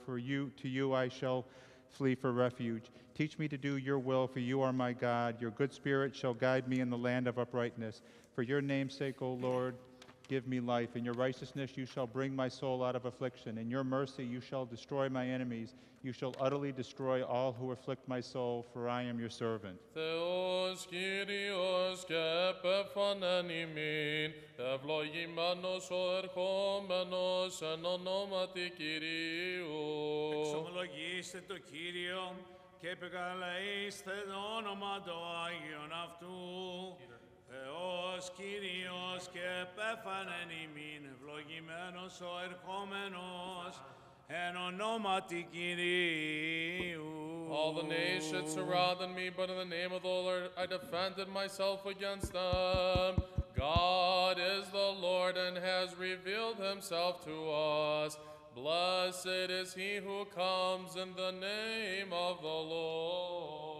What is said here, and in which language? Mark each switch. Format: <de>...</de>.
<en>For you, to you I shall flee for refuge. Teach me to do your will, for you are my God. Your good spirit shall guide me in the land of uprightness. For your name's sake, O Lord, give me life. In your righteousness you shall bring my soul out of affliction. In your mercy you shall destroy my enemies. You shall utterly destroy all who afflict my soul, for I am your servant.</en> <el>Theos Kyrios και επεφανέν ημίν, ευλογημένος ο ερχόμενος εν ονόματι Κυρίου. Εξομολογήστε το Κύριο και επικαλείστε το όνομα το Άγιον αυτού. Θεός Κύριος και επέφανεν ημίν, ευλογημένος ο ερχόμενος εν ονόματι Κυρίου.</el> <en>All the nations surrounded me, but in the name of the Lord I defended myself against them. God is the Lord and has revealed himself to us. Blessed is he who comes in the name of the Lord.</en>